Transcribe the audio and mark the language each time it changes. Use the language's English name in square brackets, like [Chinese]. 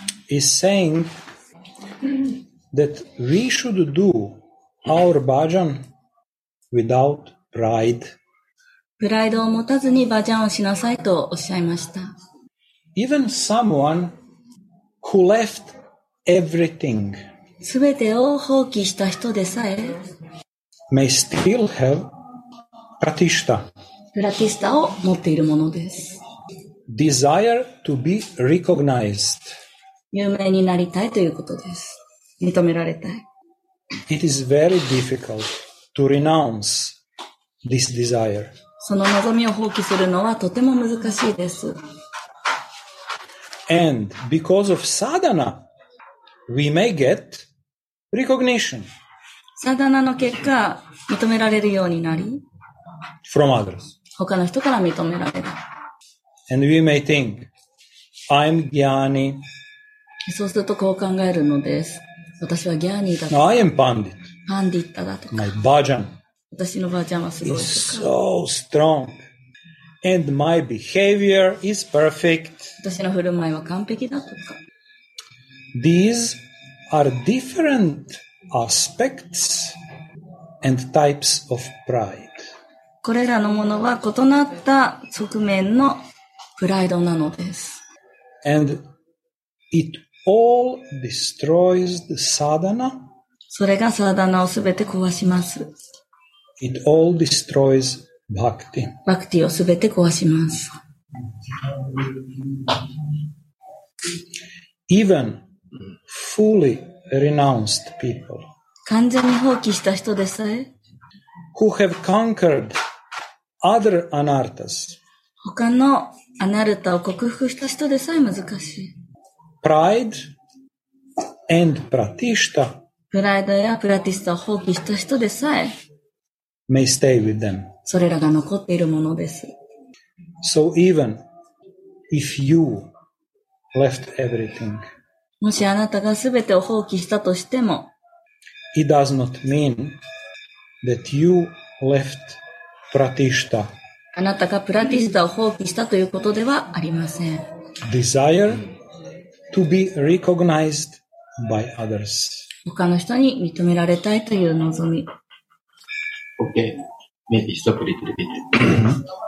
[English] is saying that we should do our bhajan without pride. [Japanese] プライドを持たずにバジャンをしなさいとおっしゃいました。 [English] Even someone who left everything [Japanese] 全てを放棄した人でさえ [English] may still have pratishta [Japanese] プラティスタを持っているものです。 [English] Desire to be recognized [Japanese] 有名になりたいということです。認められたい。 [English] It is very difficult to renounce this desire. [Japanese] その望みを放棄するのはとても難しいです。 [English] And because of sadhana, we may get recognition. [Japanese] Sadhana の結果、認められるようになり、 [English] from others. [Japanese] 他の人から認められる。 [English] And we may think, I'm Gyani. [Japanese] そうするとこう考えるのです。私はギャーニーだ [English] と。I am Pandit. [Japanese] パンディッタだとか。 [English] My Bhajan. [Japanese] 私のバージャンはすごいとか。 [English] It's so strong. And my behavior is perfect. [Japanese] 私の振る舞いは完璧だとか。 [English] These are different aspects and types of pride. [Japanese] これらのものは異なった側面のプライドなのです。 [English] And it all destroys the sadhana. [Japanese] それがサダナをすべて壊します。 [English] It all destroys bhakti. [Japanese] Bhakti をすべて壊します。 [English] Even fully renounced people. [Japanese] 完全に放棄した人でさえ。 [English] Who have conquered other anarthas. [Japanese] 他のアナルタを克服した人でさえ難しい。 [English] Pride and pratishta. [Japanese] プライドやプラティスタを放棄した人でさえ。 [English] May stay with them. [Japanese] それらが残っているものです。 [English] So even if you left everything, [Japanese] もしあなたがすべてを放棄したとしても、 [English] it does not mean that you left pratishta. [Japanese] あなたがプラティスタを放棄したということではありません。 [English] Desire to be recognized by others. [Japanese] 他の人に認められたいという望み。 [English] Okay, maybe stop a little bit.